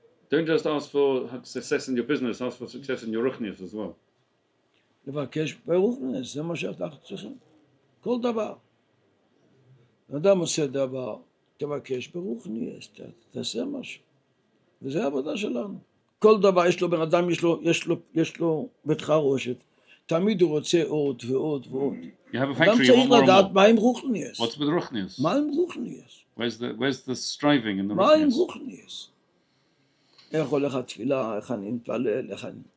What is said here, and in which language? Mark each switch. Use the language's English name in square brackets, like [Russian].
[English] Don't just ask for success in your business, ask for success in your רוחניס as well. [Hebrew] לבקש ברוחניס, זה מה שאתה צריכים. כל דבר. אדם עושה דבר, תבקש ברוחניס, תעשה משהו. וזה העבודה שלנו. כל דבר יש לו, בן אדם יש לו, יש לו, יש לו בית חרושת. תמיד הוא רוצה עוד ועוד ועוד. אדם צריך לדעת מה עם רוחניס. [English] What's with רוחניס? [Hebrew] מה עם רוחניס? [English] Where's the striving in the [Hebrew] רוחניס? מה עם רוחניס? איך הולך התפילה, איך אני מתפלל, איך אני...